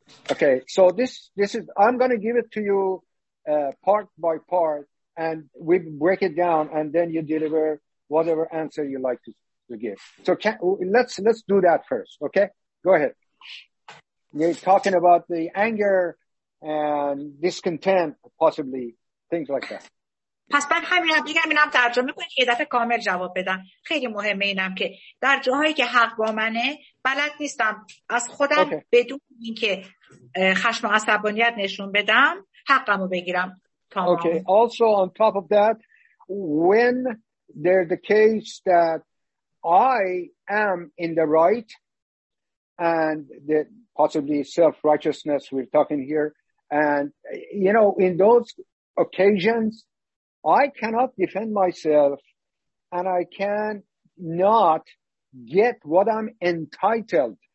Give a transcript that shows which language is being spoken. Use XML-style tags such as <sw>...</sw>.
<en>Okay, so this is, I'm going to give it to you part by part and we break it down and then you deliver whatever answer you like to give. So let's do that first, okay? Go ahead. You're talking about the anger and discontent, possibly things like that.</en> <fa>پس من همین بگم اینم ترجمه کنید یه دفعه کامل جواب بدم. خیلی مهمه اینم که در جاهایی که حق با منه بلد نیستم از خودم okay. بدون اینکه خشم و عصبانیت نشون بدم حقمو بگیرم. تمام.</fa> <en>Okay. Also on top of that, when there's the case that I am in the right and the possibly self-righteousness we're talking here, and you know, in those occasions I cannot defend myself and I can not get what I'm entitled.</en>